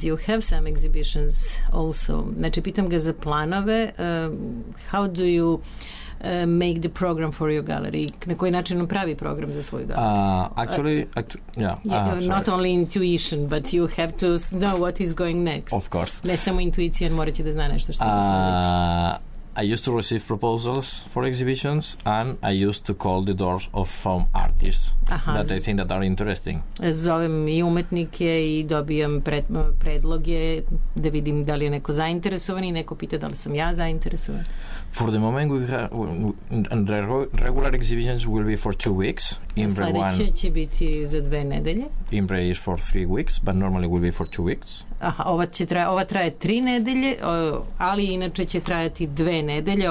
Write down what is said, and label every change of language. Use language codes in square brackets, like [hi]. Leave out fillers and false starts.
[en] You have some exhibitions also. [sr] Znači, pitam ga za planove. [en] How do you make the program for your gallery? [sr] Na koji način on pravi program za svoju galeriju? [en] Not only intuition, but you have to know what is going next. Of course. [sr] Ne samo intuicija, morat će da zna nešto što je sledeće. [en] I used to receive proposals for exhibitions, and I used to call the doors of some artists that I think that are interesting. [sr] Zovem i umetnike i dobijam predloge da vidim da li je neko zainteresovan, i neko pita da li sam ja zainteresovan. [en] For the moment, we have, and the regular exhibitions will be for 2 weeks Imbre [sr] sledeće [en] one, [sr] će biti za dve nedelje. [en] Imbre is for 3 weeks, but normally will be for 2 weeks. [sr] Aha, ova traje 3 nedelje, ali inače će trajati 2 nedelje.